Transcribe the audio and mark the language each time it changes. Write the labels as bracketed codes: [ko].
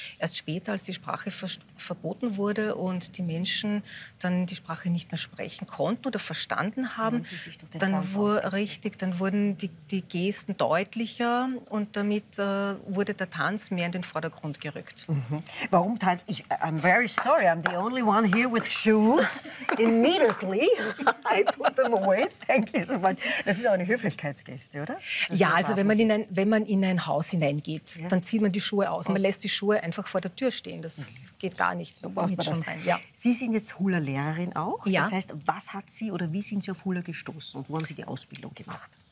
[de] Erst später, als die Sprache verboten wurde und die Menschen dann die Sprache nicht mehr sprechen konnten oder verstanden haben, dann wurden die Gesten deutlicher und damit wurde der Tanz mehr in den Vordergrund gerückt. Mhm. Warum tanzt? [en] I'm very sorry, I'm the only one here with shoes. Immediately, I put them away, thank you so much. [de] Das ist auch eine Höflichkeitsgeste, oder? Ja, also wenn man in ein Haus hineingeht, dann zieht man die Schuhe aus. Man lässt die Schuhe einfach vor der Tür stehen, das geht gar nicht. So braucht man schon rein. Ja. Sie sind jetzt Hula-Lehrerin auch. Ja. Das heißt, was hat Sie oder wie sind Sie auf Hula gestoßen und wo haben Sie die Ausbildung gemacht?